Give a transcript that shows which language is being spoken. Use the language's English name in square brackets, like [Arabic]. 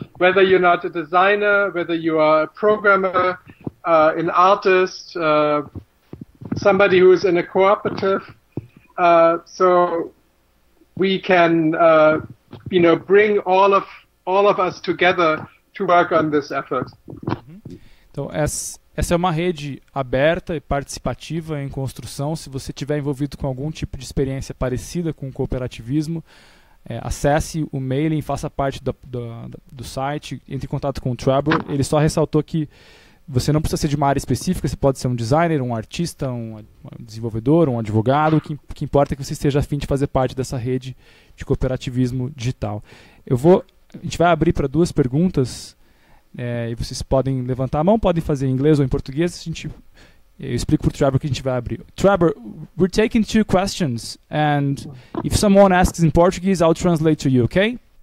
[English] Whether you're not a designer, whether you are a programmer, an artist, somebody who is in a cooperative. So we can, you know, bring all of us together to work on this effort. [Portuguese] Então, essa é uma rede aberta e participativa em construção. Se você estiver envolvido com algum tipo de experiência parecida com o cooperativismo, acesse o mailing, faça parte do site, entre em contato com o Trevor. Ele só ressaltou que você não precisa ser de uma área específica, você pode ser um designer, um artista, um desenvolvedor, um advogado, o que importa é que você esteja a fim de fazer parte dessa rede de cooperativismo digital. A gente vai abrir para duas perguntas, e vocês podem levantar a mão, podem fazer em inglês ou em português, eu explico para o Trevor que a gente vai abrir. [English] Trevor, we're taking two questions, and if someone asks in Portuguese, I'll translate to you, okay?